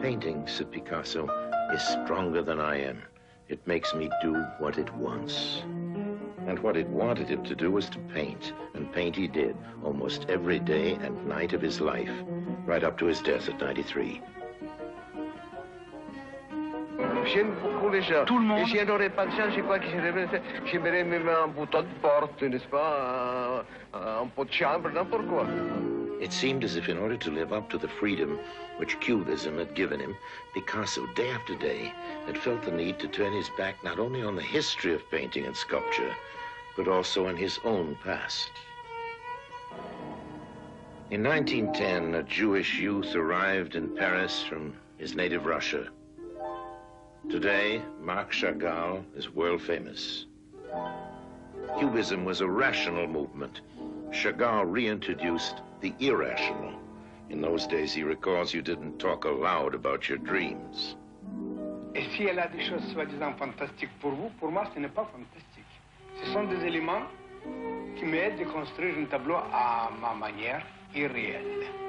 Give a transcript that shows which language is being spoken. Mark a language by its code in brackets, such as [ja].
[en] Painting, said Picasso, is stronger than I am. It makes me do what it wants. And what it wanted him to do was to paint. And paint he did, almost every day and night of his life, right up to his death at 93. [fr] J'aime beaucoup les gens. Tout le monde. Et si elle n'aurait pas de chance, je crois que j'aimerais même un bouton de porte, n'est-ce pas? Un pot de chambre, n'importe quoi. [en] It seemed as if in order to live up to the freedom which Cubism had given him, Picasso, day after day, had felt the need to turn his back not only on the history of painting and sculpture, but also on his own past. In 1910, a Jewish youth arrived in Paris from his native Russia. Today, Marc Chagall is world famous. Cubism was a rational movement. Chagall reintroduced the irrational. In those days, he recalls, you didn't talk aloud about your dreams. [fr] Et si elle a des choses soi-disant fantastiques pour moi, ce n'est pas fantastique. Ce sont des éléments qui m'aident à construire un tableau à ma manière irréelle.